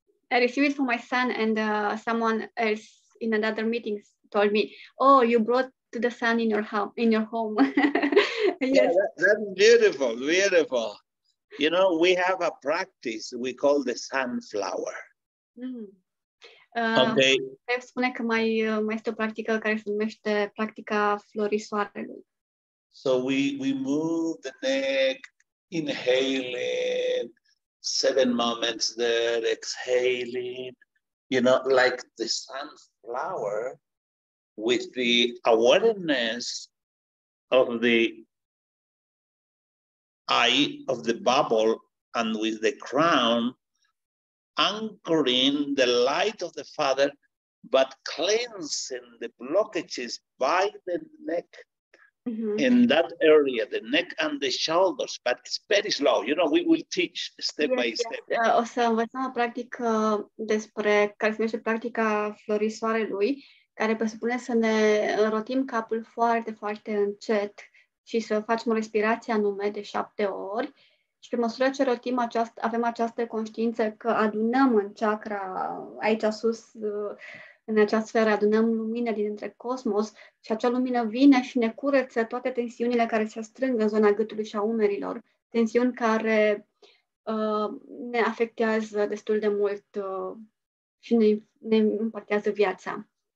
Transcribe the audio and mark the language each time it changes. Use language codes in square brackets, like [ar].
[en] I received it from my son and someone else in another meeting told me, oh, you brought to the sun in your home. Yes. Yeah, that's beautiful. You know, we have a practice we call the sunflower. Okay. [ro] Vreau spune că mai este o practică care se numește practica florisoarelui. [en] So we move the neck, inhaling, 7 moments there, exhaling, you know, like the sunflower with the awareness of the eye of the bubble and with the crown anchoring the light of the Father, but cleansing the blockages by the neck. Mm-hmm. In that area, the neck and the shoulders, but it's very slow. You know, we will teach step by step. [ro] O să învățăm o practică despre care se numește practica florisoarelui, care presupune să ne rotim capul foarte, foarte încet și să facem o respirație anume de 7 ori. Și pe măsură ce rotim avem această conștiință că adunăm în chakra, aici sus, în această sferă, adunăm lumină din între cosmos și acea lumină vine și ne curăță toate tensiunile care se strâng în zona gâtului și a umerilor, tensiuni care ne afectează destul de mult și ne împărtează viața.